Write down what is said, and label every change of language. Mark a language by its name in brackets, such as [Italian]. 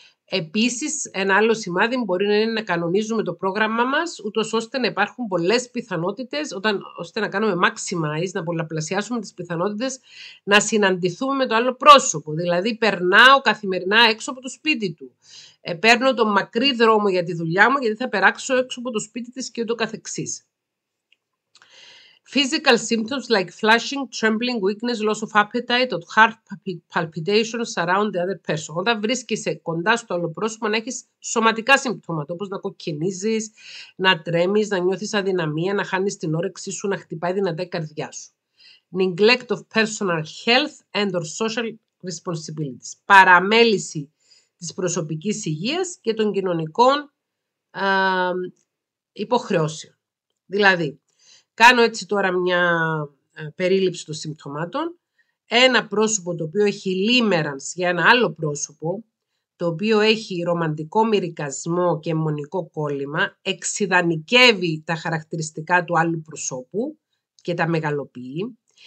[Greek] Επίσης, ένα άλλο σημάδι μπορεί να είναι να κανονίζουμε το πρόγραμμα μας, ούτως ώστε να υπάρχουν πολλές πιθανότητες, ώστε να κάνουμε maximize, να πολλαπλασιάσουμε τις πιθανότητες, να συναντηθούμε με το άλλο πρόσωπο. Δηλαδή, περνάω καθημερινά έξω από το σπίτι του. Παίρνω τον μακρύ δρόμο για τη δουλειά μου, γιατί θα περάξω έξω από το σπίτι της και ούτω καθεξής. [English] Physical symptoms like flushing, trembling, weakness, loss of appetite, or heart palpitations around the other person. [Greek] Όταν βρίσκεσαι κοντά στο άλλο πρόσωπο να έχεις σωματικά συμπτώματα, όπως να κοκκινίζεις, να τρέμεις, να νιώθεις αδυναμία, να χάνεις την όρεξή σου, να χτυπάει δυνατά η καρδιά σου. [English] Neglect of personal health and or social responsibilities. [Greek] Παραμέληση της προσωπικής υγείας και των κοινωνικών υποχρεώσεων. Δηλαδή, κάνω έτσι τώρα μια περίληψη των συμπτωμάτων. Ένα πρόσωπο το οποίο έχει λίμεραντς για ένα άλλο πρόσωπο, το οποίο έχει ρομαντικό μυρικασμό και μονικό κόλλημα, εξιδανικεύει τα χαρακτηριστικά του άλλου προσώπου και τα μεγαλοποιεί.